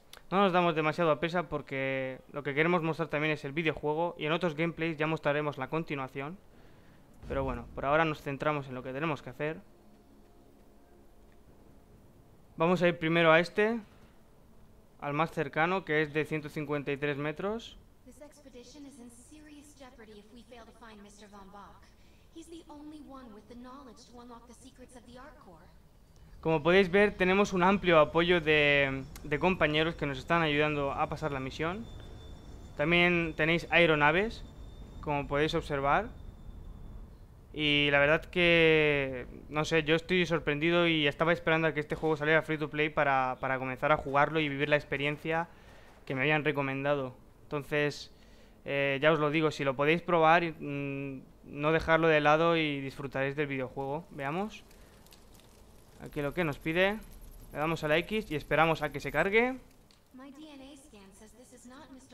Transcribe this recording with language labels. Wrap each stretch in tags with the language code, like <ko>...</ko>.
<es>No nos damos demasiado a prisa porque lo que queremos mostrar también es el videojuego y en otros gameplays ya mostraremos la continuación. Pero bueno, por ahora nos centramos en lo que tenemos que hacer. Vamos a ir primero a este, al más cercano, que es de 153 metros.</es> <en>This expedition is in serious jeopardy if we fail to find Mr. Von Bock. He's the only one with the knowledge to unlock the secrets of the Ark Core.</en> <es>Como podéis ver, tenemos un amplio apoyo de compañeros que nos están ayudando a pasar la misión. También tenéis aeronaves, como podéis observar. Y la verdad que, no sé, yo estoy sorprendido y estaba esperando a que este juego saliera free to play para comenzar a jugarlo y vivir la experiencia que me habían recomendado. Entonces, ya os lo digo, si lo podéis probar, no dejarlo de lado y disfrutaréis del videojuego. Veamos. Aquí lo que nos pide, le damos a la X y esperamos a que se cargue.</es> <en>My DNA scan says this is not Mr.</en>